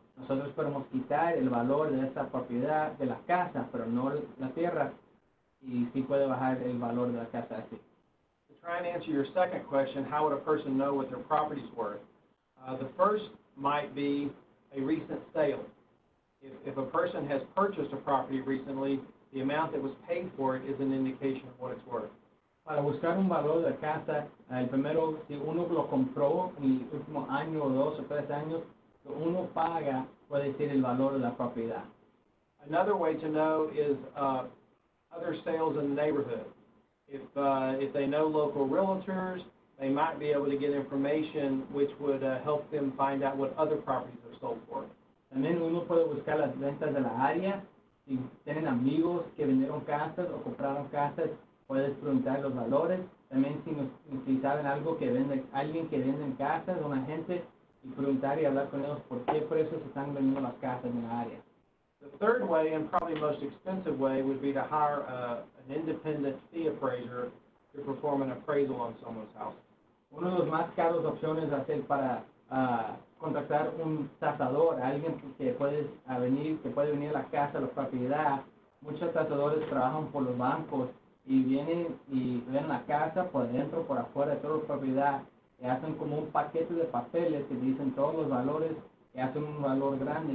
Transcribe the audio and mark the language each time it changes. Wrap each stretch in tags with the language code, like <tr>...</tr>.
<es>Nosotros podemos quitar el valor de esa propiedad de la casa, pero no la tierra, y sí puede bajar el valor de la casa así.</es> <en>To try and answer your second question, how would a person know what their property is worth? The first might be a recent sale. If a person has purchased a property recently, the amount that was paid for it is an indication of what it's worth.</en> <es>Para buscar un valor de casa, el primero, si uno lo compró en el último año o dos o tres años, lo uno paga puede ser el valor de la propiedad.</es> <en>Another way to know is other sales in the neighborhood. If they know local realtors, they might be able to get information which would help them find out what other properties are sold for.</en> <es>También uno puede buscar las ventas de la área. Si tienen amigos que vendieron casas o compraron casas, puedes preguntar los valores. También si saben algo que vende, alguien que vende casas, un agente, y preguntar y hablar con ellos por qué precios están vendiendo las casas en la área.</es> <en>The third way, and probably most expensive way, would be to hire an independent fee appraiser to perform an appraisal on someone's house.</en> <es>Uno de los más caros opciones hacer para contactar un tasador, alguien que puede venir a la casa, a la propiedad. Muchos tasadores trabajan por los bancos y vienen y ven la casa por dentro, por afuera, toda la propiedad, y hacen como un paquete de papeles que dicen todos los valores y hacen un valor grande.</es>